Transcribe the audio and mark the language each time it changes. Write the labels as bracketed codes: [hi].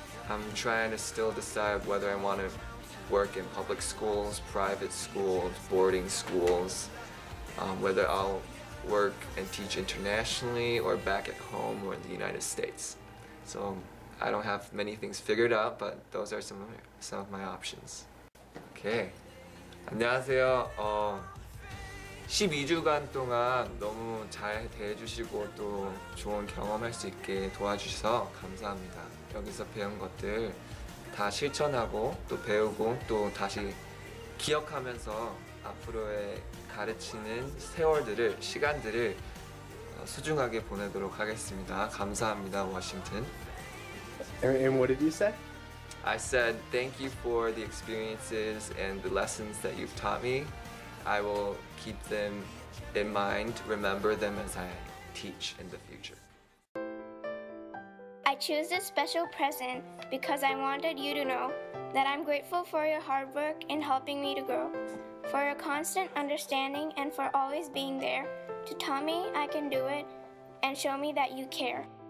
[en] I'm trying to still decide whether I want to work in public schools, private schools, boarding schools, whether I'll work and teach internationally or back at home or in the United States. So I don't have many things figured out, but those are some of my options. Okay. [ko] 안녕하세요. 12주간 동안 너무 잘 대해주시고 또 좋은 경험할 수 있게 도와주셔서 감사합니다. 여기서 배운 것들 다 실천하고 또 배우고 또 다시 기억하면서 앞으로의 가르치는 세월들을, 시간들을 소중하게 보내도록 하겠습니다. 감사합니다, 워싱턴. [en] And what did you say? I said thank you for the experiences and the lessons that you've taught me. I will keep them in mind, remember them as I teach in the future. I choose this special present because I wanted you to know that I'm grateful for your hard work in helping me to grow, for your constant understanding, and for always being there to tell me I can do it and show me that you care.